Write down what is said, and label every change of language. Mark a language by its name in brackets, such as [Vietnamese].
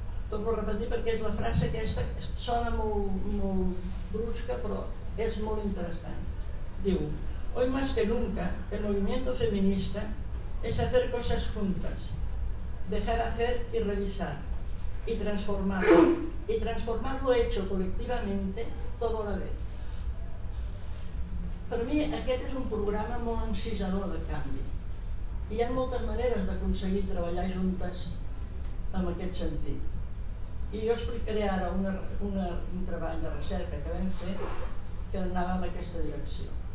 [Catalan] Torno a repetir perquè és la frase que aquesta sona molt brusca, però és molt interessant. Diu: [Spanish] Hoy más que nunca, el movimiento feminista es hacer cosas juntas, dejar hacer y revisar, y transformar lo hecho colectivamente, todo a la vez. [Catalan] Per mi aquest és un programa molt encisador de canvi. Hi ha moltes maneres d'aconseguir treballar juntes en aquest sentit. I jo explicaré ara un treball de recerca que vam fer que anava en aquesta direcció.